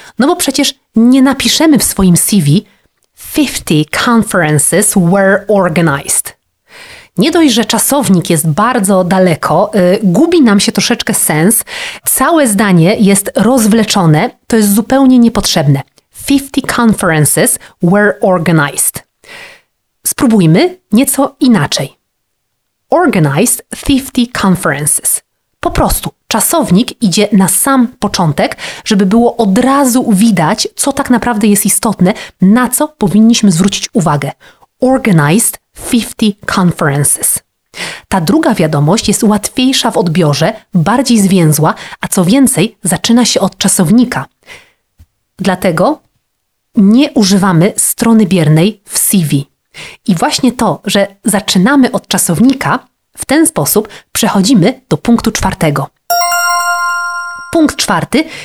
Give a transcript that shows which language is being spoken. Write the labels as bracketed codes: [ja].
[pl] No bo przecież nie napiszemy w swoim CV [en] 50 conferences were organized. [pl] Nie dość, że czasownik jest bardzo daleko, gubi nam się troszeczkę sens, całe zdanie jest rozwleczone, to jest zupełnie niepotrzebne. [en] 50 conferences were organized. [pl] Spróbujmy nieco inaczej. [en] Organized 50 conferences. [pl] Po prostu czasownik idzie na sam początek, żeby było od razu widać, co tak naprawdę jest istotne, na co powinniśmy zwrócić uwagę. [en] Organized 50 conferences. [pl] Ta druga wiadomość jest łatwiejsza w odbiorze, bardziej zwięzła, a co więcej, zaczyna się od czasownika. Dlatego nie używamy strony biernej w CV. I właśnie to, że zaczynamy od czasownika, w ten sposób przechodzimy do punktu czwartego. Punkt czwarty.